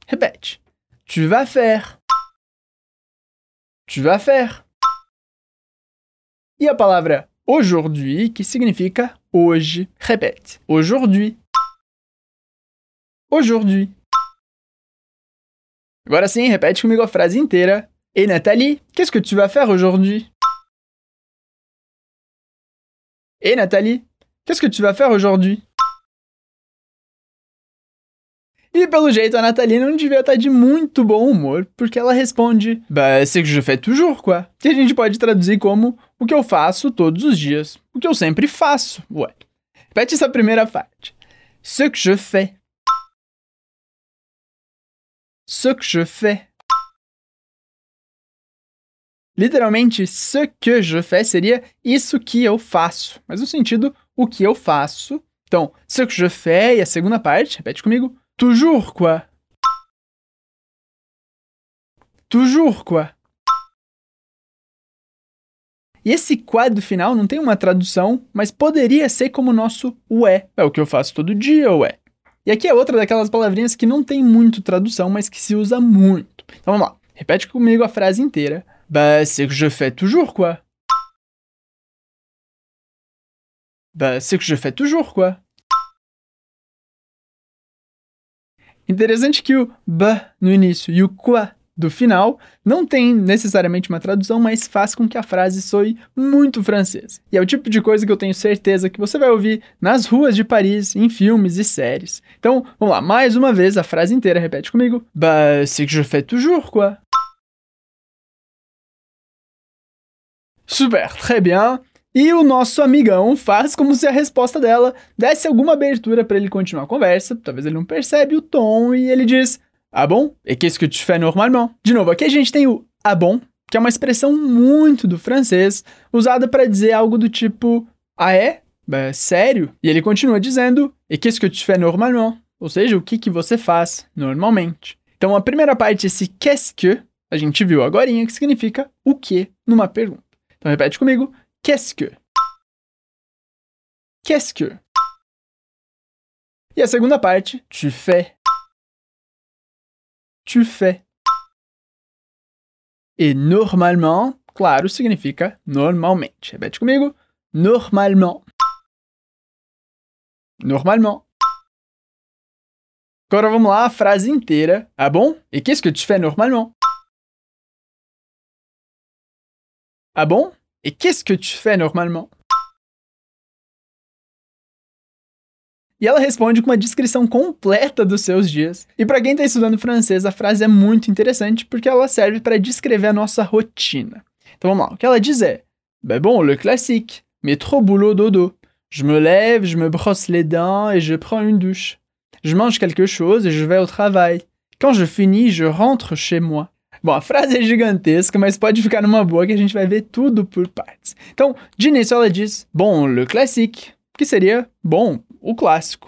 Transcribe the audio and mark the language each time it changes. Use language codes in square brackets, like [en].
[pt] Repete, [fr] tu vas faire. Tu vas faire. [pt] E a palavra aujourd'hui, que significa hoje. Repete. Aujourd'hui. Aujourd'hui. Agora sim, repete comigo a frase inteira. [fr] Et Nathalie, qu'est-ce que tu vas faire aujourd'hui? Et Nathalie, qu'est-ce que tu vas faire aujourd'hui? [pt] E pelo jeito, a Nathalie não devia estar de muito bom humor, porque ela responde, [fr] bah, c'est que je fais toujours, quoi. [pt] Que a gente pode traduzir como o que eu faço todos os dias. O que eu sempre faço, ué. Repete essa primeira parte. [fr] Ce que je fais. Ce que je fais. [pt] Literalmente, [fr] ce que je fais [pt] seria isso que eu faço. Mas no sentido, o que eu faço Então, [fr] ce que je fais, [pt] a segunda parte, repete comigo. [fr] Toujours quoi? Toujours quoi? [pt] E esse quadro final não tem uma tradução, mas poderia ser como o nosso ué. É o que eu faço todo dia, ué. E aqui é outra daquelas palavrinhas que não tem muito tradução, mas que se usa muito. Então vamos lá, repete comigo a frase inteira. [fr] Bah, c'est que je fais toujours quoi? Bah, c'est que je fais toujours quoi? [pt] Interessante que o bah no início e o quoi do final não tem necessariamente uma tradução, mas faz com que a frase soe muito francesa. E é o tipo de coisa que eu tenho certeza que você vai ouvir nas ruas de Paris, em filmes e séries. Então, vamos lá, mais uma vez, a frase inteira, repete comigo. [fr] Bah, c'est que je fais toujours quoi? Super, très bien. [pt] E o nosso amigão faz como se a resposta dela desse alguma abertura para ele continuar a conversa, talvez ele não percebe o tom, e ele diz... [fr] Ah bon? Et qu'est-ce que tu fais normalement? [pt] De novo, aqui a gente tem o [fr] ah bon, [pt] que é uma expressão muito do francês, usada para dizer algo do tipo, ah é? Bah, sério? E ele continua dizendo, [fr] et qu'est-ce que tu fais normalement? [pt] Ou seja, o que, que você faz normalmente? Então, a primeira parte, esse qu'est-ce que, a gente viu agorinha, que significa o que numa pergunta. Então, repete comigo, [fr] qu'est-ce que? Qu'est-ce que? [pt] E a segunda parte, [fr] tu fais. Tu fais. [pt] E normalement, claro, significa normalmente. Repete comigo. Normalement. [fr] Normalement. [pt] Agora vamos lá, a frase inteira. [fr] Ah bon? [pt] E [fr] qu'est-ce que tu fais normalement? Ah bon? E qu'est-ce que tu fais normalement? [pt] E ela responde com uma descrição completa dos seus dias. E para quem está estudando francês, a frase é muito interessante porque ela serve para descrever a nossa rotina. Então vamos lá. O que ela diz é... [fr] Ben bon, le classique. Métro, boulot, dodo. Je me lève, je me brosse les dents et je prends une douche. Je mange quelque chose et je vais au travail. Quand je finis, je rentre chez moi. [pt] Bom, a frase é gigantesca, mas pode ficar numa boa que a gente vai ver tudo por partes. Então, de início ela diz... [fr] Bon, le classique. [pt] Que seria, bom, o clássico.